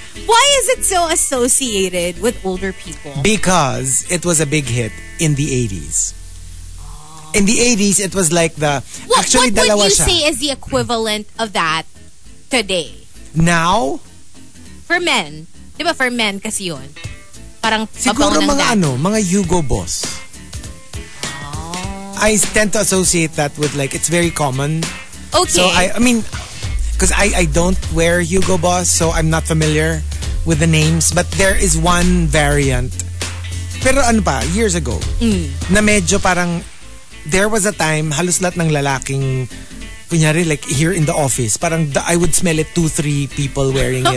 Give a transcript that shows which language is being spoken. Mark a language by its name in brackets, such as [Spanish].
[English] Why is it so associated with older people? Because it was a big hit in the 80s. In the 80s, it was like the... What would you say is the equivalent of that today? Now? For men. [Filipino] Diba for men kasi yun? Parang siguro mga ano, mga Hugo Boss. [English] Oh. I tend to associate that with like, it's very common. Okay. So I mean... Because I don't wear Hugo Boss, so I'm not familiar with the names. But there is one variant. [Filipino] Pero ano pa, [English] years ago, [Filipino] na medyo parang, [English] there was a time, [Filipino] halos lahat ng lalaking, kunyari, [English] like here in the office, [Filipino] parang [English] I would smell it 2-3 people wearing it.